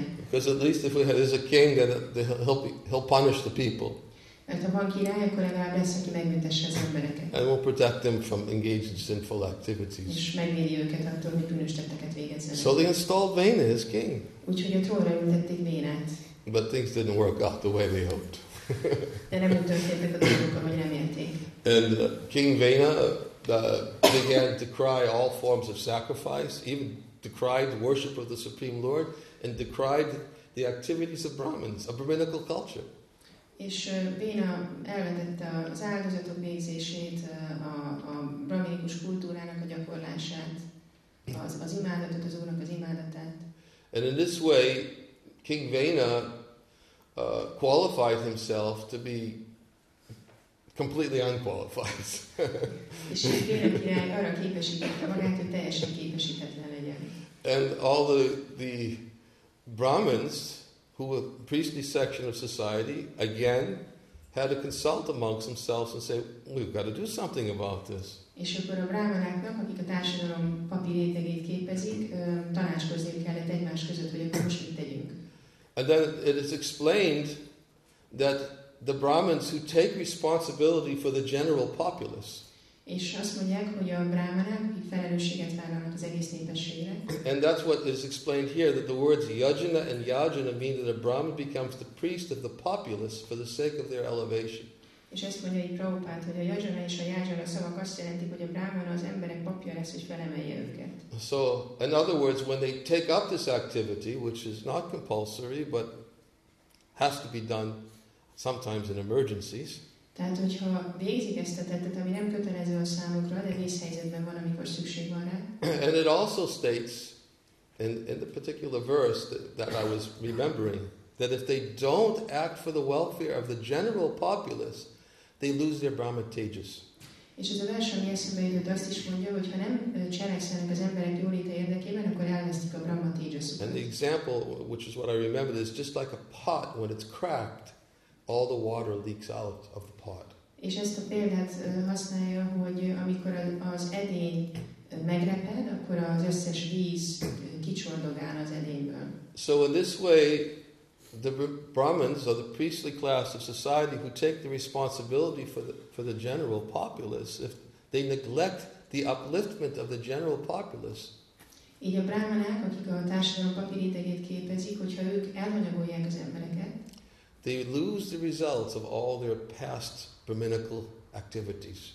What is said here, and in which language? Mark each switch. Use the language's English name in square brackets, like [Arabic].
[English] Because at least if we have, there's a king, then he'll punish the people. [Hungarian] Mert ha van király, akkor legalább lesz, aki megmentesse az embereket. [English] And will protect them from engaging sinful activities. [Hungarian] És megvédi őket attól, hogy bűnös tetteket végezzenek. [English] So they installed Vena as king. [Hungarian] Úgyhogy a trónra ültették Vénát. [English] But things didn't work out the way they hoped. [Hungarian] De nem úgy történtek a dolgok, ahogy remélték. [English] And King Vena began to cry all forms of sacrifice, even decried the worship of the Supreme Lord, and decried the activities of Brahmins, a Brahminical culture. [Hungarian] És Béna elvetette az áldozatok végzését, a brahminikus kultúrának a gyakorlását, az imádatot, az úrnak az imádatát. [English] And in this way, King Vena qualified himself to be completely unqualified. [Hungarian] És Béna király arra képesítette magát, hogy teljesen képesítetlen legyen. [English] And all the Brahmins, who were the priestly section of society, again, had to consult amongst themselves and say, we've got to do something about this. [Hungarian] És akkor a brámanáknak, akik a társadalom papi rétegét képezik, tanácskozni kellett egymás között, hogy akkor most mit tegyünk. [English] And then it is explained that the Brahmins who take responsibility for the general populace, [Hungarian] és azt mondják, hogy a brámanák, akik felelősséget vállalnak az egész népességre. [English] And that's what is explained here, that the words yajana and yajana mean that a brahman becomes the priest of the populace for the sake of their elevation. [Hungarian] És ezt mondja itt Prabhupád, hogy a yajana és a yajana szavak azt jelentik, hogy a brámana az emberek papja lesz, hogy felemelje őket. [English] So, in other words, when they take up this activity, which is not compulsory, but has to be done sometimes in emergencies, [Hungarian] tehát, hogyha végzik ezt a tettet, ami nem kötelező a számukra, de vészhelyzetben van, amikor szükség van rá. [English] And it also states in the particular verse that I was remembering, that if they don't act for the welfare of the general populace, they lose their brahmatejas. [Hungarian] És ez a vers, ami eszembe jutott, azt is mondja, hogy ha nem cselekszenek az emberek jólita érdekében, akkor elvesztik a brahmatejasukat. [English] And the example, which is what I remembered, is just like a pot when it's cracked, all the water leaks out of the pot. [Hungarian] És ezt a példát használja, hogy amikor az edény megreped, akkor az összes víz kicsordog áll az edényből. [English] So in this way, the Brahmins, or the priestly class of society, who take the responsibility for the general populace, if they neglect the upliftment of the general populace, [Hungarian] így a brahmanák, akik a társadalom papi rétegét képezik, hogyha ők elhanyagolják az embereket, [English] they lose the results of all their past brahminical activities.